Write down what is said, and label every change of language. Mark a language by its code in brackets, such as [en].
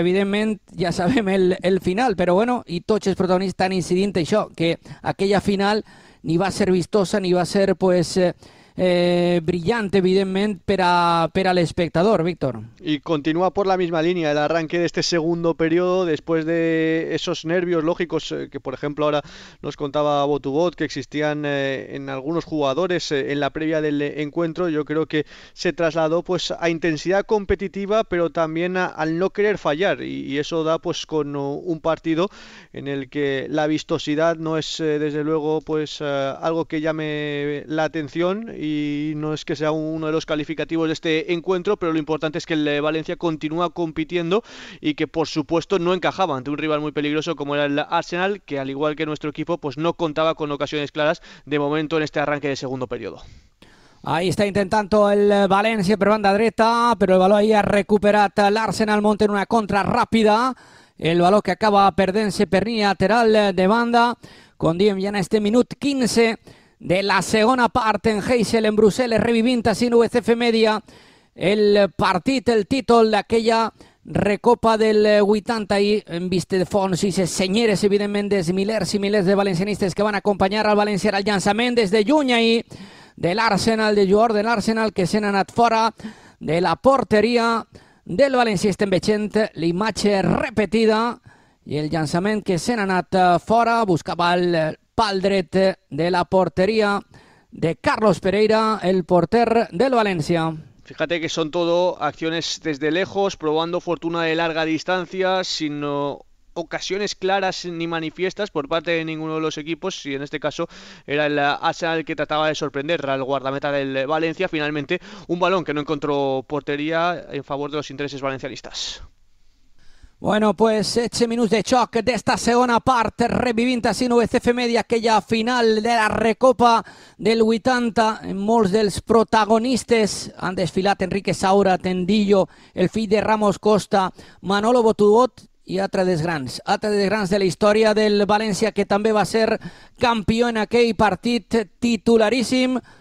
[ca] Evidentment, ja sabem el final, però bueno, i tots els protagonistes estan incidint en això, que aquella final ni va ser vistosa, ni va ser pues, brillante, evidentment, per a l'espectador, Víctor. I continua per [es] la misma línia, el arranque de este segundo periodo, después de esos nervios lógicos que, por ejemplo, ahora nos contaba Botubot, que existían en algunos jugadores en la previa del encuentro. Yo creo que se trasladó pues a intensidad competitiva, pero también al no querer fallar, y eso da pues con un partido en el que la vistosidad no es, desde luego, pues algo que llame la atención. Y no es que sea uno de los calificativos de este encuentro, pero lo importante es que el Valencia continúa compitiendo y que, por supuesto, no encajaba ante un rival muy peligroso como era el Arsenal, que al igual que nuestro equipo, pues no contaba con ocasiones claras de momento en este arranque de segundo periodo. Ahí está intentando el Valencia por banda derecha, pero el balón ahí ha recuperado el Arsenal, monta en una contra rápida. El balón que acaba perdiéndose per línea lateral de banda, con Diem ya en este minuto 15 de la [ca] segona part en Heysel, en Brussel·les, revivint així en VCF Media el partit, el títol d'aquella recopa del 80, i en vista de fons i ses senyeres, evidentment, des milers i milers de valencianistes que van acompanyar al Valencià al llançament des de lluny i de l'Arsenal, de jugador de l'Arsenal que s'han anat fora de la porteria del Valencià. Estem veient l'imatge repetida i el llançament que s'han anat fora, buscava el pal dret de la portería de Carlos Pereira, el porter del Valencia. [es] Fíjate que son todo acciones desde lejos, probando fortuna de larga distancia, sino ocasiones claras ni manifiestas por parte de ninguno de los equipos, y en este caso era el Arsenal que trataba de sorprender al guardameta del Valencia. Finalmente, un balón que no encontró portería en favor de los intereses valencianistas. [ca] Bueno, pues 8 minuts de xoc d'esta segona part, revivint així en VCF Media aquella final de la Recopa del 80. Molts dels protagonistes han desfilat: Enrique Saura, Tendillo, el fill de Ramos Costa, Manolo Botubot i altres grans de la història del València, que també va ser campió en aquell partit, titularíssim.